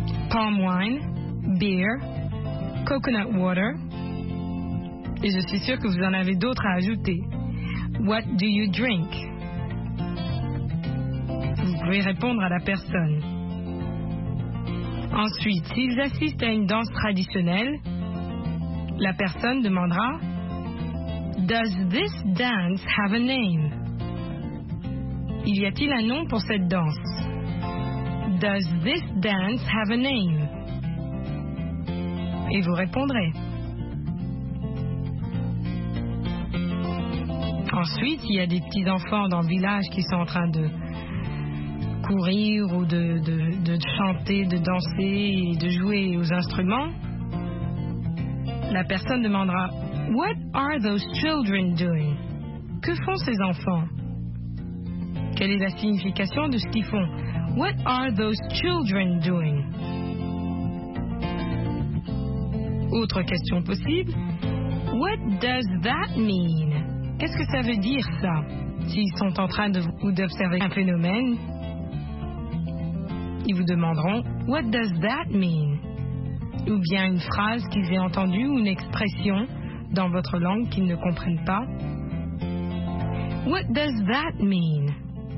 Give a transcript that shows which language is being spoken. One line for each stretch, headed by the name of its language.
English: Palm wine, beer, coconut water.
French: Et je suis sûre que vous en avez d'autres à ajouter.
English: What do you drink?
French: Vous pouvez répondre à la personne. Ensuite, s'ils assistent à une danse traditionnelle, la personne demandera
English: Does this dance have a name?
French: Y a-t-il un nom pour cette danse?
English: Does this dance have a name?
French: Et vous répondrez. Ensuite, il y a des petits-enfants dans le village qui sont en train de courir ou de chanter, de danser et de jouer aux instruments. La personne demandera,
English: What are those children doing?
French: Que font ces enfants? Quelle est la signification de ce qu'ils font?
English: What are those children doing?
French: Autre question possible,
English: What does that mean?
French: Qu'est-ce que ça veut dire, ça, s'ils sont en train de ou d'observer un phénomène? Ils vous demanderont «
English: What does that mean ?»
French: ou bien une phrase qu'ils aient entendue ou une expression dans votre langue qu'ils ne comprennent pas.
English: « What does that mean ?»